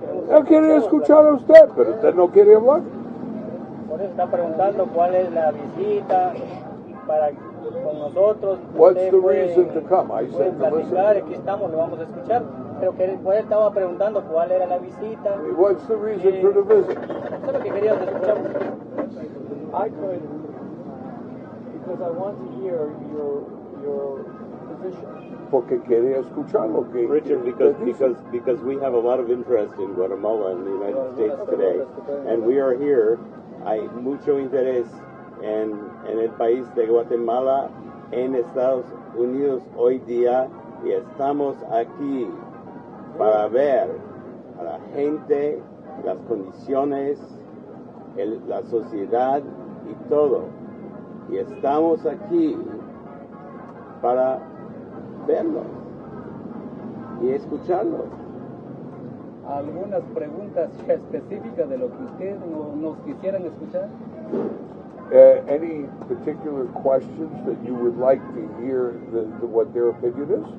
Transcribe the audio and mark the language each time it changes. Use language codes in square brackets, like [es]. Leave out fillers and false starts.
[es] Él quiere escuchar a usted, pero usted no quiere hablar. Por eso está preguntando cuál es la visita para con nosotros. [en] What's the reason to come? I said, listen. [es] Aquí estamos, lo vamos a escuchar. Pero que él estaba preguntando cuál era la visita. [en] What's the reason for the visit? [es] Eso es lo que quería escuchar. [en] I could, because I want to hear your position. [es] Porque quería escuchar lo que [en] Richard, because we have a lot of interest in Guatemala and the United States today, and we are here. [es] Hay mucho interés en el país de Guatemala en Estados Unidos hoy día, y estamos aquí para ver a la gente, las condiciones, la sociedad y todo. Y estamos aquí para verlos y escucharlos. ¿Algunas preguntas específicas de lo que usted nos quisieran escuchar? [en] Any particular questions that you would like to hear the what their opinion is?